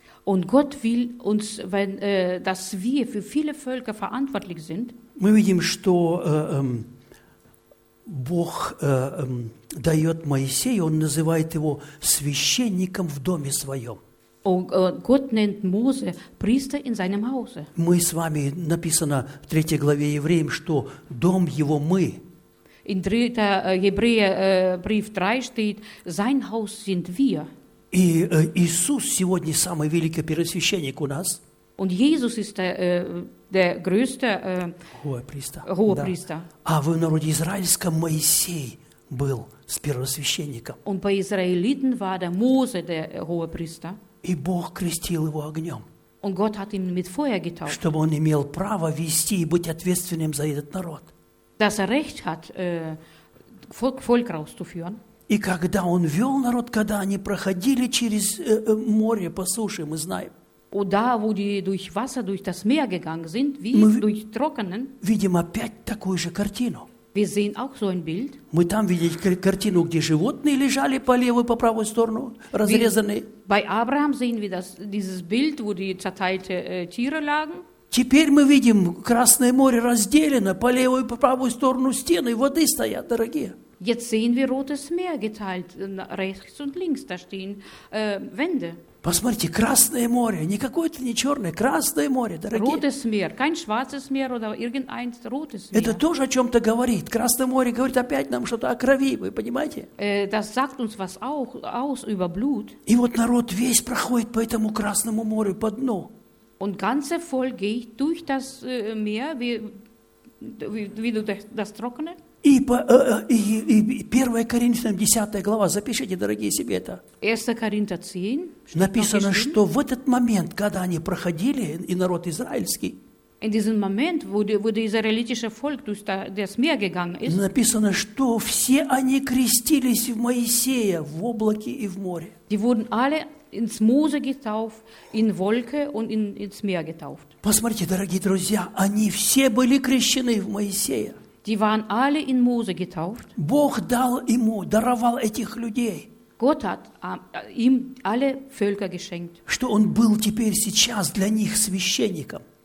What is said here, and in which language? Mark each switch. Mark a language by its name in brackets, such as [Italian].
[German] Und Gott will uns, wenn, dass wir für viele Völker verantwortlich sind. [Russian] Мы видим, что Бог дает Моисею, он называет его священником в доме своем. [German] Gott nennt Mose Priester in seinem Hause. [Russian] Мы с вами написано в 3 главе Евреям, что дом его мы. [German] In 3. Hebräerbrief 3 steht, sein Haus sind wir. [Russian] И Иисус сегодня самый великий первосвященник у нас. [German] Und Jesus ist der größte Hohepriester. [Russian] А в народе израильском Моисей был с первосвященником. [German] Und bei Israeliten war der Mose der Hohepriester. [Russian] И Бог крестил его огнем. [German] Und Gott hat ihn mit Feuer getauft. [Russian] Чтобы он имел право вести и быть ответственным за этот народ. [German] Dass er Recht hat, Volk rauszuführen. [Russian] И когда он вел народ, когда они проходили через море по суше, мы знаем. [German] Und da, wo die durch Wasser, durch das Meer gegangen sind, wie [Russian] мы [German] durch Trockenen. [Russian] Видим опять такую же картину. [German] Wir sehen auch so ein Bild. [Russian] Мы там видели картину, где животные лежали по левую, по правую сторону, разрезанные. [German] Bei Abraham sehen wir das, dieses Bild, wo die zerteilte Tiere lagen. [Russian] Теперь мы видим, Красное море разделено, по левую, по правую сторону стены, воды стоят, дорогие. [German] Jetzt sehen wir Rotes Meer geteilt, rechts und links, da stehen Wände. [Russian] Посмотрите, Красное море, не какое-то не черное, Красное море, дорогие. [German] Rotes Meer, kein schwarzes Meer oder irgendein rotes Meer. [Russian] Это тоже о чем-то говорит. Красное море говорит опять нам что-то о крови, вы понимаете? [German] Das sagt uns was auch aus über Blut. [Russian] И вот народ весь проходит по этому Красному морю по дну. [German] Und ganze Volk geht durch das Meer, wie durch das Trockene. [Russian] И 1 Коринфянам 10 глава, запишите, дорогие себе это. 1 Коринфянам 10. Написано, что в этот момент, когда они проходили, и народ израильский, [German] in diesem Moment, wo der israelitische Volk durch das Meer gegangen ist, [Russian] написано, что все они крестились в Моисея, в облаке и в море. [German] Die wurden alle ins Mose getauft, in Wolke und ins Meer getauft. [Russian] Посмотрите, дорогие друзья, они все были крещены в Моисея. [German] Die waren alle in Mose getauft. [Russian] Бог дал ему, даровал этих людей. [German] Gott hat ihm alle Völker geschenkt. [Russian] Что он был теперь сейчас для них священником.